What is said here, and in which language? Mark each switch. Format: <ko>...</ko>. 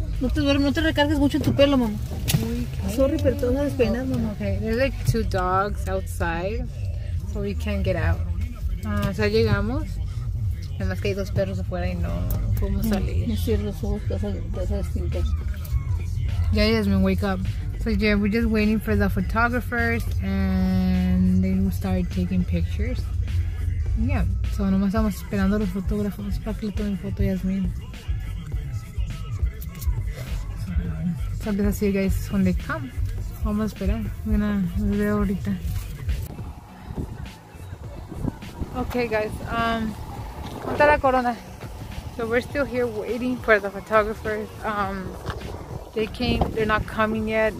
<es>No te duermes, no te recargues mucho en tu pelo, mamá. Sorry, pero todo es pena, mamá.</es> <en>Okay. There's like two dogs outside, so we can't get out.</en> <es>Ya llegamos. Nada más que hay dos perros afuera y no podemos salir. Me cierro los ojos, casa de stinker.</es> <en>Yeah, Yasmin, wake up. So yeah, we're just waiting for the photographers and they will start taking pictures.</en> <es>Yeah, so nomás estamos esperando los fotógrafos para que le tomen foto a Yasmin.</es> <en>So I'll see you guys when they come.</en> <es>Vamos a esperar. Mira, los veo ahorita.</es> <en>Okay, guys.</en> <es>Ponte la corona.</es> <en>So we're still here waiting for the photographers. They're not coming yet.</en>